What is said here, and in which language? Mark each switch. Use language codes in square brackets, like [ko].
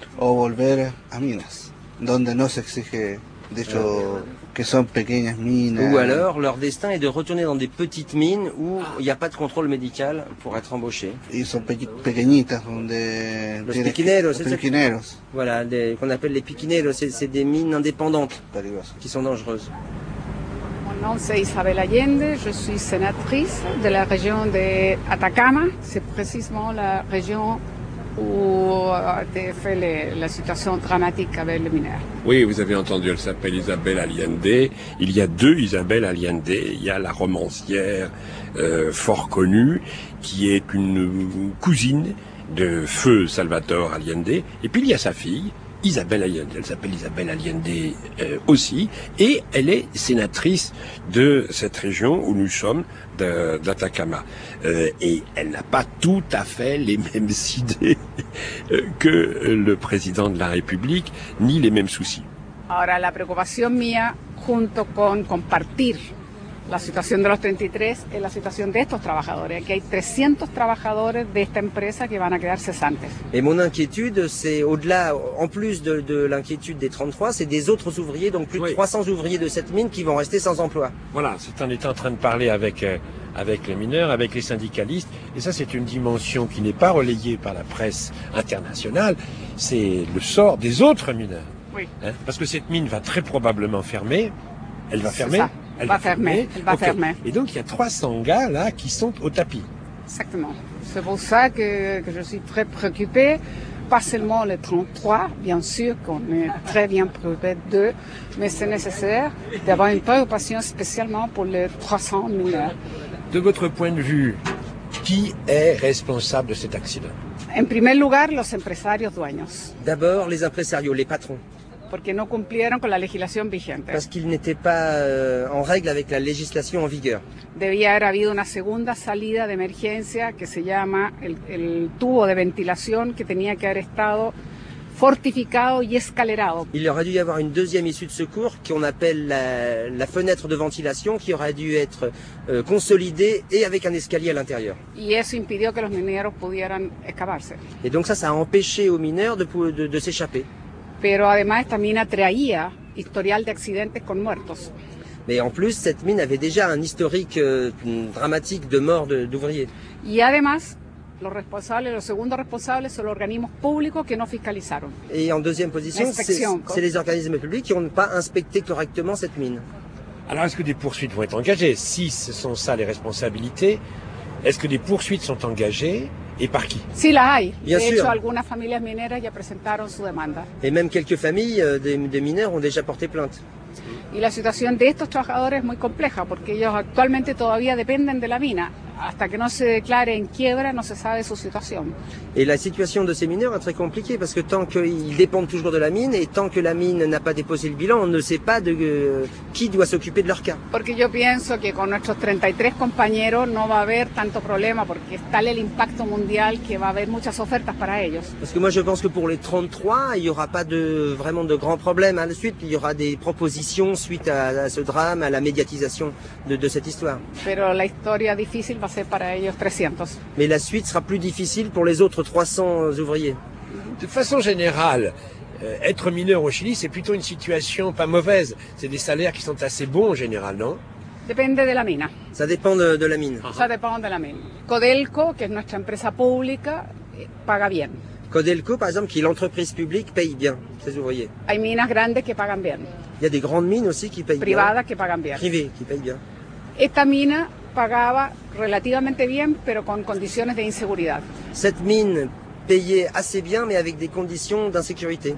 [es] O volver a minas, donde no se exige, de hecho, que son pequeñas minas. [fr] Ou alors, leur destin est de retourner dans des petites mines où il n'y a pas de contrôle médical pour être embauché. [es] Y son pequeñitas, donde los piquineros. Que, piquineros. [fr] Voilà, qu'on appelle les piquineros, c'est des mines indépendantes [es] Peligoso. [fr] Qui sont dangereuses. Mon nom c'est Isabel Allende, je suis sénatrice de la région de Atacama. C'est précisément la région où a été faite la situation dramatique avec les mineurs. Oui, vous avez entendu, elle s'appelle Isabel Allende. Il y a deux Isabel Allende. Il y a la romancière fort connue qui est une cousine de feu Salvador Allende. Et puis il y a sa fille. Isabel Allende, elle s'appelle Isabel Allende aussi, et elle est sénatrice de cette région où nous sommes, d'Atacama. Et elle n'a pas tout à fait les mêmes idées que le président de la République, ni les mêmes soucis. [es] Ahora, la preocupación mía, junto con compartir la situación de los 33, es la situación de estos trabajadores. Aquí hay 300 trabajadores de esta empresa que van a quedar cesantes. [fr] Et mon inquiétude, c'est au-delà, en plus de l'inquiétude des 33, c'est des autres ouvriers, donc plus de 300 ouvriers de cette mine qui vont rester sans emploi. Voilà, c'est on était en train de parler avec les mineurs, avec les syndicalistes, et ça c'est une dimension qui n'est pas relayée par la presse internationale, c'est le sort des autres mineurs. Oui. Hein? Parce que cette mine va très probablement fermer, elle va fermer. C'est ça. Elle va fermer. Et donc, il y a 300 gars, là, qui sont au tapis. Exactement. C'est pour ça que je suis très préoccupée. pas seulement le 33, bien sûr qu'on est très bien privé d'eux, mais c'est nécessaire d'avoir une préoccupation spécialement pour les 300 mineurs. De votre point de vue, qui est responsable de cet accident? En premier lieu, les [es] empresarios dueños. [fr] D'abord, les empresarios, les patrons. [es] Porque no cumplieron con la legislación vigente. [fr] Parce qu'ils n'étaient pas en règle avec la législation en vigueur. [es] Debía haber habido una segunda salida de emergencia que se llama el tubo de ventilación que tenía que haber estado fortificado y escalerado. [fr] Il aurait dû y avoir une deuxième issue de secours qu'on appelle la fenêtre de ventilation qui aurait dû être consolidée et avec un escalier à l'intérieur. [es] Y eso impidió que los mineros pudieran escaparse. [fr] Et donc ça a empêché aux mineurs de s'échapper. [es] Pero además esta mina traía historial de accidentes con muertos. [fr] Mais en plus cette mine avait déjà un historique dramatique de morts d'ouvriers. [es] Y además los responsables, los segundos responsables son los organismos públicos que no fiscalizaron. [fr] Et en deuxième position, c'est les organismes publics qui n'ont pas inspecté correctement cette mine. Alors est-ce que des poursuites vont être engagées? Si ce sont ça les responsabilités, est-ce que des poursuites sont engagées? Et par qui? [es] Si, la hay. [fr] Bien sûr. [es] De hecho, algunas familias mineras ya presentaron su demanda. [fr] Et même quelques familles des mineurs ont déjà porté plainte. [es] Y la situación de estos trabajadores es muy compleja porque ellos actualmente todavía dependen de la mina. Hasta que no se declare en quiebra, no se sabe su situación. [fr] Et la situation de ces mineurs est très compliquée parce que tant qu'ils dépendent toujours de la mine et tant que la mine n'a pas déposé le bilan, on ne sait pas de qui doit s'occuper de leur cas. [es] Porque yo pienso que con nuestros 33 compañeros no va a haber tanto problema porque es tal el impacto mundial que va a haber muchas ofertas para ellos. [fr] Parce que moi je pense que pour les 33, il y aura pas de vraiment de grands problèmes à la suite, il y aura des propositions suite à ce drame, à la médiatisation de cette histoire. [es] Pero la historia difícil va a ser para ellos 300. [fr] Mais la suite sera plus difficile pour les autres 300 ouvriers. De façon générale, être mineur au Chili, c'est plutôt une situation pas mauvaise. C'est des salaires qui sont assez bons en général, non? Depende de la mina. Ça dépend de la mine. Ça dépend de la mine. [es] Codelco, que es nuestra empresa pública, paga bien. [fr] Codelco, par exemple, qui est l'entreprise publique, paye bien ses ouvriers. [es] Hay minas grandes que pagan bien. [fr] Il y a des grandes mines aussi qui payent [es] privadas Privadas que pagan bien. [fr] Privées qui payent bien. [es] Esta mina pagaba relativamente bien, pero con condiciones de inseguridad. [fr] Cette mine payait assez bien, mais avec des conditions d'insécurité.